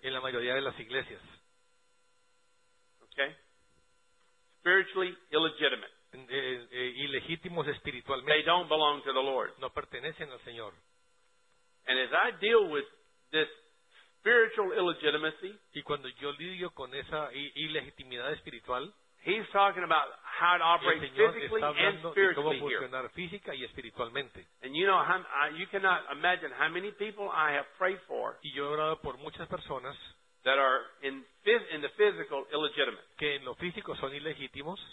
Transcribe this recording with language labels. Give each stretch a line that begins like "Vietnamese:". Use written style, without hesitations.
Spanish: En la mayoría de las iglesias.
English: Okay. Spiritually illegitimate.
Spanish: Ilegítimos espiritualmente.
English: They don't belong to the Lord.
Spanish: No pertenecen al Señor.
English: And as I deal with this spiritual illegitimacy,
Spanish: y cuando yo lidio con esa ilegitimidad espiritual,
English: he's talking about how it operates physically and spiritually
Spanish: here. Cómo funciona física y espiritualmente.
English: And you know, you cannot imagine how many people I have prayed for.
Spanish: Y yo he orado por muchas personas
English: that are in the physical illegitimate.
Spanish: Que en lo físico son ilegítimos.